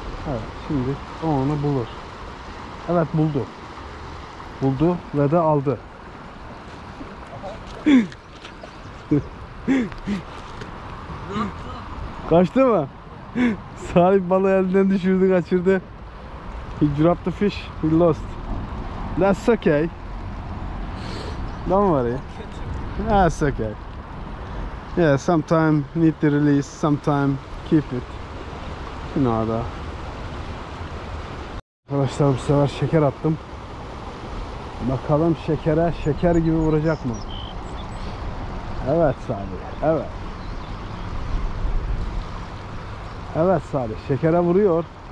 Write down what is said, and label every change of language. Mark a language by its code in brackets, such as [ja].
[tr] Evet, şimdi o onu bulur. Evet, buldu. Buldu ve de aldı. Kaçtı mı? Salih balığı elinden düşürdü, kaçırdı. [en] He dropped the fish, he lost. That's okay. Don't worry. That's okay. Yeah, sometime need to release, sometime keep it. You know that. [tr] Arkadaşlar bu sefer şeker attım. Bakalım şekere şeker gibi vuracak mı? Evet Salih, evet. Evet Salih, şekere vuruyor.